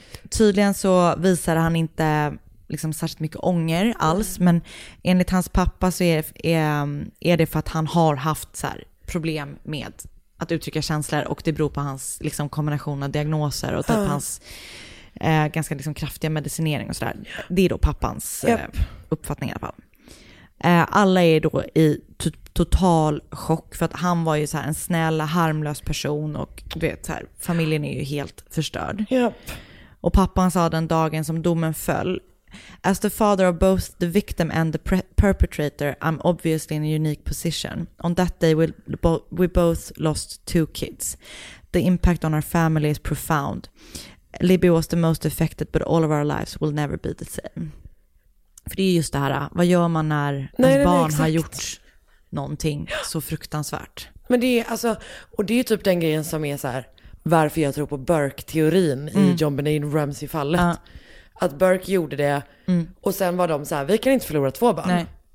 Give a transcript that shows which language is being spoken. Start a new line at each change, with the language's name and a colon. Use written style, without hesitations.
Swedish: Tydligen så visar han inte liksom särskilt mycket ånger alls, men enligt hans pappa så är det för att han har haft så här problem med att uttrycka känslor och det beror på hans liksom kombination av diagnoser och typ hans ganska liksom kraftiga medicinering och sådär. Det är då pappans uppfattning i alla fall. Alla är då i total chock för att han var ju så här en snäll, harmlös person och du vet, så här, familjen är ju helt förstörd. Yep. Och pappan sa den dagen som domen föll
English: As the father of both the victim and the perpetrator, I'm obviously in a unique position. On that day, we both lost two kids. The impact on our family is profound. Libby was the most affected, but all of our lives will never be the same.
Swedish: För det är just det här, vad gör man när ens barn har gjort någonting så fruktansvärt? Men det är alltså, och det är typ den grejen som är så här, varför jag tror på Burke-teorin i JonBenet Ramsey-fallet. Att Burke gjorde det och sen var de så här, vi kan inte förlora två barn. Nej.